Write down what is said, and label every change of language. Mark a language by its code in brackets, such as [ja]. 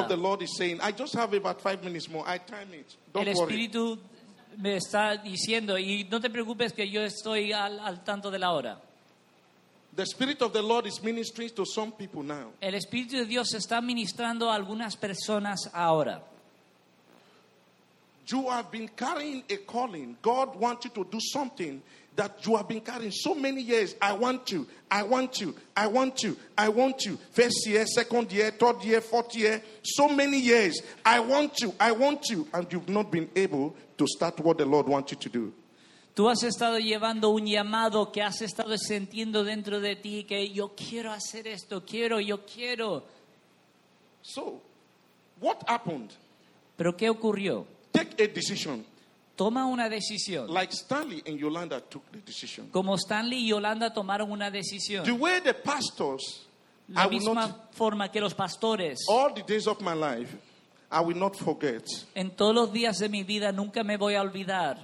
[en] Of the Lord is saying, I just have about 5 minutes more. I time it. Don't [es] el Espíritu [en] worry. [es] Me está diciendo, y no te preocupes que yo estoy al tanto de la hora. [en] The Spirit of the Lord is ministering to some people now. [es] El Espíritu de Dios está ministrando a algunas personas ahora. [en] You have been carrying a calling. God wants you to do something that you have been carrying so many years. I want you. First year, second year, third year, fourth year. So many years. I want you. And you've not been able to start what the Lord wants you to do. [es] Tú has estado llevando un llamado que has estado sintiendo dentro de ti que yo quiero hacer esto, quiero. [en] So, what happened? [es] ¿Pero qué ocurrió? [en] Take a decision. [es] Toma una decisión. [en] Like Stanley and Yolanda took the decision. [es] Como Stanley y Yolanda tomaron una decisión. [en] The way the pastors, [es] la misma forma que los pastores. [en] All the days of my life, I will not forget. [es] En todos los días de mi vida nunca me voy a olvidar.